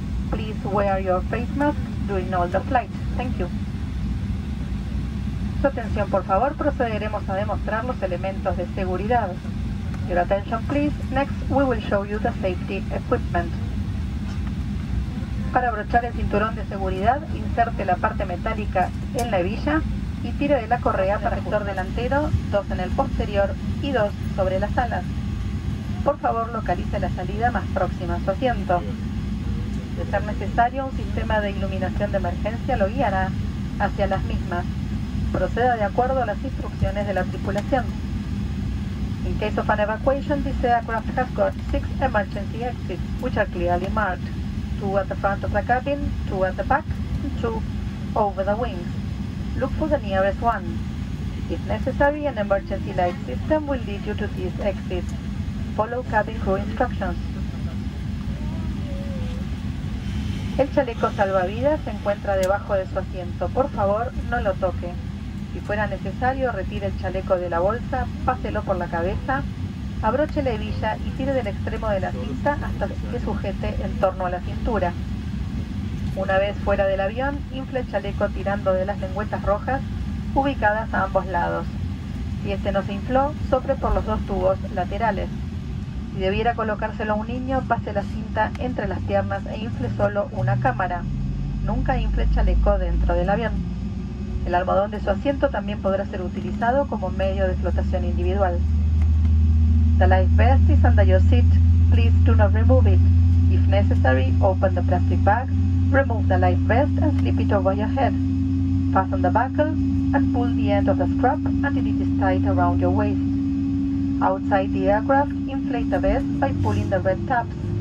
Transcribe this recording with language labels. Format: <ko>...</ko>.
<en>Please wear your face mask during all the flights. Thank you.</en> <es>Su atención, por favor, procederemos a demostrar los elementos de seguridad.</es> <en>Your attention, please. Next, we will show you the safety equipment.</en> <es>Para abrochar el cinturón de seguridad, inserte la parte metálica en la hebilla y tire de la correa para el sector delantero, dos en el posterior y dos sobre las alas. Por favor, localice la salida más próxima a su asiento. De ser necesario, un sistema de iluminación de emergencia lo guiará hacia las mismas. Proceda de acuerdo a las instrucciones de la tripulación.</es> <en>In case of an evacuation, this aircraft has got 6 emergency exits, which are clearly marked. 2 at the front of the cabin, 2 at the back, and 2 over the wings. Look for the nearest one. If necessary, an emergency light system will lead you to this exit. Follow cabin crew instructions.</en> <es>El chaleco salvavidas se encuentra debajo de su asiento. Por favor, no lo toque. Si fuera necesario, retire el chaleco de la bolsa, páselo por la cabeza, abroche la hebilla y tire del extremo de la cinta hasta que sujete en torno a la cintura. Una vez fuera del avión, infle el chaleco tirando de las lengüetas rojas ubicadas a ambos lados. Si este no se infló, sople por los dos tubos laterales. Si debiera colocárselo a un niño, pase la cinta entre las piernas e infle solo una cámara. Nunca infle el chaleco dentro del avión. El almohadón de su asiento también podrá ser utilizado como medio de flotación individual.</es> <en>The life vest is under your seat. Please do not remove it. If necessary, open the plastic bag Remove the life vest and slip it over your head. Fasten the buckle and pull the end of the strap until it is tight around your waist. Outside the aircraft, inflate the vest by pulling the red tabs.</en>